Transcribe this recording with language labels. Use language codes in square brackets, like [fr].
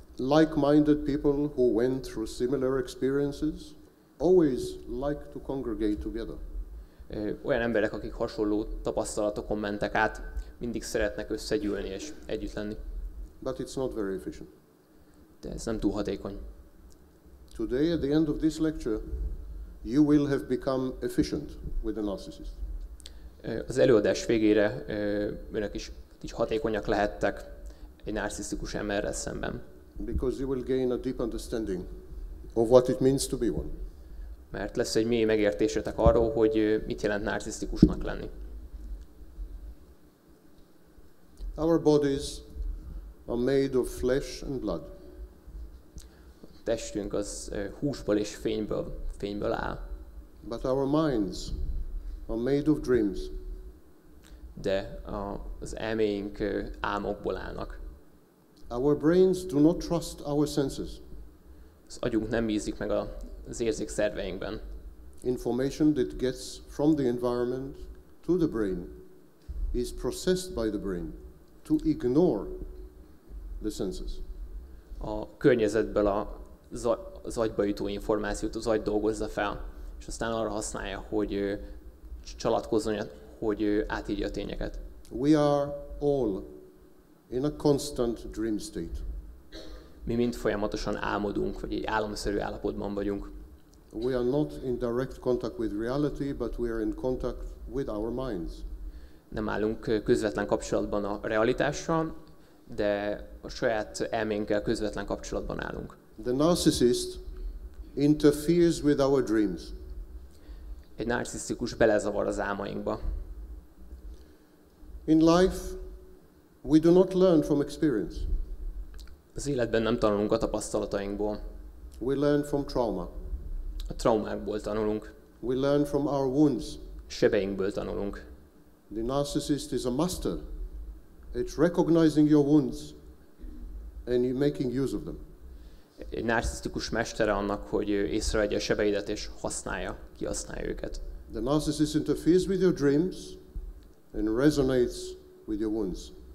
[en] Like-minded people who went through similar experiences always like to congregate together. [hu] Olyan emberek, akik hasonló tapasztalatokon mentek át, mindig szeretnek összegyűlni és együtt lenni. [en] But it's not very efficient. [hu] De ez nem túl hatékony. [en] Today at the end of this lecture you will have become efficient with a narcissist. [hu] Az előadás végére önök is így hatékonyak lehettek egy narcisztikus emberrel szemben. [en] Because you will gain a deep understanding of what it means to be one. [hu] Mert lesz egy mély megértésetek arról, hogy mit jelent narcisztikusnak lenni. [en] Our bodies are made of flesh and blood. [hu] A testünk az húsból és fényből áll. [en] But our minds are made of dreams. [hu] De az elméink álmokból állnak. [en] Our brains do not trust our senses. [hu] Az agyunk nem bízik meg az érzékszerveinkben. [en] Information that gets from the environment to the brain is processed by the brain to ignore the senses. [hu] A környezetből az agyba jutó információt az agy dolgozza fel, és aztán arra használja, hogy csalatkozzon, hogy átírja a tényeket. [en] We are all in a constant dream state. [hu] Mi mind folyamatosan álmodunk, vagy egy álomszerű állapotban vagyunk. [en] We are not in direct contact with reality, but we are in contact with our minds. [hu] Nem állunk közvetlen kapcsolatban a realitással, de a saját elménkkel közvetlen kapcsolatban állunk. [en] The narcissist interferes with our dreams. [hu] Egy narcisztikus belezavar az álmainkba. [en] In life, we do not learn from experience. [hu] Az életben nem tanulunk a tapasztalatainkból. [en] We learn from trauma. [hu] A traumákból tanulunk. [en] We learn from our wounds. [hu] Sebeinkből tanulunk. [en] The narcissist is a master. It's recognizing your wounds and you making use of them. [hu] Egy narcisztikus mestere annak, hogy észrevegye a sebeidet és kihasználja őket. [en] The narcissist interferes with your dreams and resonates with your wounds.